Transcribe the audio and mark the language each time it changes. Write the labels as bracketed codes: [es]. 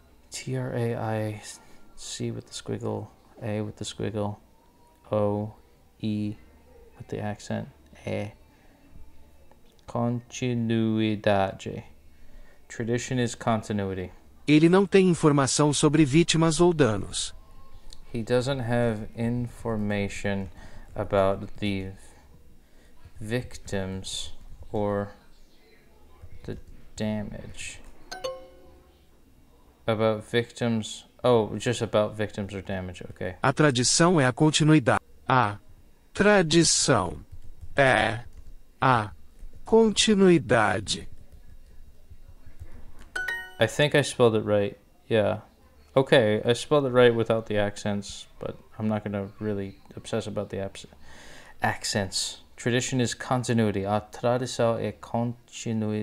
[en] T-R-A-I-C with the squiggle. A with the squiggle. O-E with the accent. A. [pt] Continuidade. [en] Tradition is continuity. [pt] Ele não tem informação sobre vítimas ou danos. [en] He doesn't have information about the victims or the damage. About victims... Oh, just about victims or damage, okay. [pt] A tradição é a continuidade. A tradição é a continuidade. [en] I think I spelled it right, yeah. Okay, I spelled it right without the accents, but I'm not going to really obsess about the accents. Tradition is continuity. [pt] A tradição é continuidade.